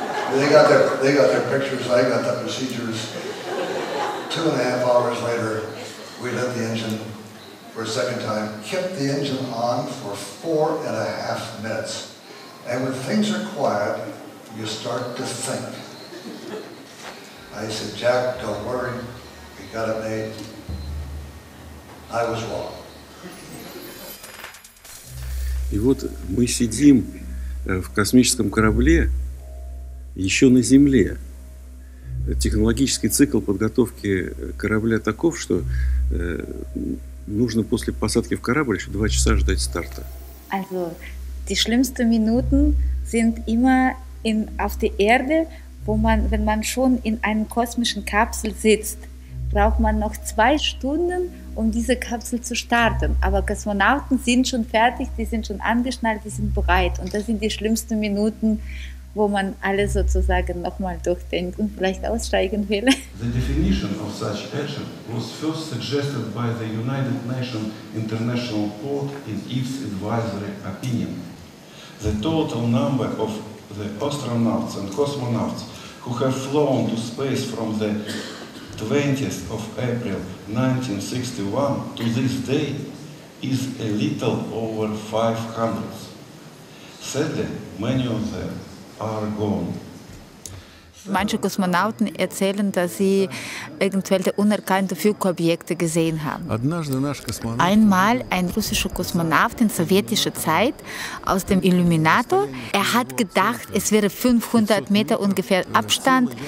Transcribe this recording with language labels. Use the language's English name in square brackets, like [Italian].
[English] So they got their pictures, I got the procedures. 2.5 hours later, we lit the engine for a second time, kept the engine on for 4.5 minutes. And when things are quiet, you start to think. I said, Jack, don't worry, we got it made. I was wrong. [Russian] И вот мы сидим в космическом корабле, еще на Земле. Технологический цикл подготовки корабля таков, что нужно после посадки в корабль еще 2 часа ждать старта. [German] Also, die schlimmsten Minuten sind immer auf der Erde, wo man, wenn man schon in einem kosmischen Kapsel sitzt, braucht man noch 2 Stunden, um diese Kapsel zu starten. Aber Kosmonauten sind schon fertig, die sind schon angeschnallt, die sind bereit. Und das sind die schlimmsten Minuten, wo man alles sozusagen nochmal durchdenkt und vielleicht aussteigen will. [English] The definition of such action was first suggested by the United Nations International Board in its advisory opinion. The total number of the astronauts and cosmonauts who have flown to space from the 20th of April 1961 to this day is a little over 500. Sadly, many of them are gone. [German] Manche Kosmonauten erzählen, dass sie irgendwelche unerkannte Flugobjekte gesehen haben. Einmal ein russischer Kosmonaut in sowjetischer Zeit aus dem Illuminator. Er hat gedacht, es wäre 500 Meter ungefähr Abstand.